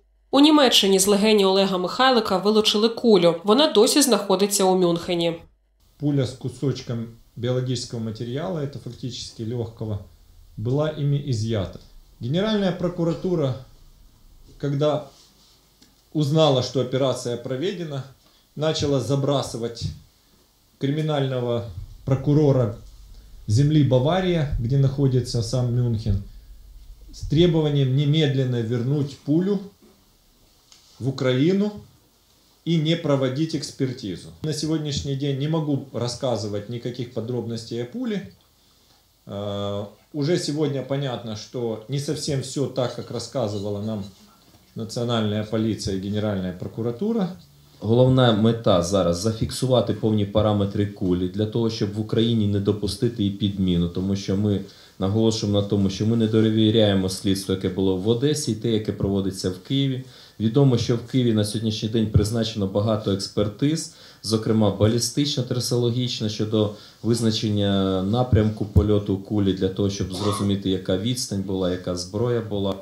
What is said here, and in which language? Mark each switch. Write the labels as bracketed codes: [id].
[uk] У Німеччині з легені Олега Михайлика вилучили кулю. Вона досі знаходиться у Мюнхені. [ru] Пуля с кусочком биологического материала, это фактически легкого, была ими изъята. Генеральная прокуратура, когда узнала, что операция проведена, начала забрасывать криминального прокурора земли Бавария, где находится сам Мюнхен, с требованием немедленно вернуть пулю в Украину и не проводить экспертизу. На сегодняшний день не могу рассказывать никаких подробностей о пуле. Уже сегодня понятно, что не совсем все так, как рассказывала нам национальная полиция и генеральная прокуратура. [uk] Головна мета зараз – зафіксувати повні параметри кулі, для того, щоб в Україні не допустити її підміну. Тому що ми наголошуємо на тому, що ми не довіряємо слідству, яке було в Одесі, і те, яке проводиться в Києві. Відомо, що в Києві на сьогоднішній день призначено багато експертиз, зокрема балістична, трасологічна, щодо визначення напрямку польоту кулі, для того, щоб зрозуміти, яка відстань була, яка зброя була.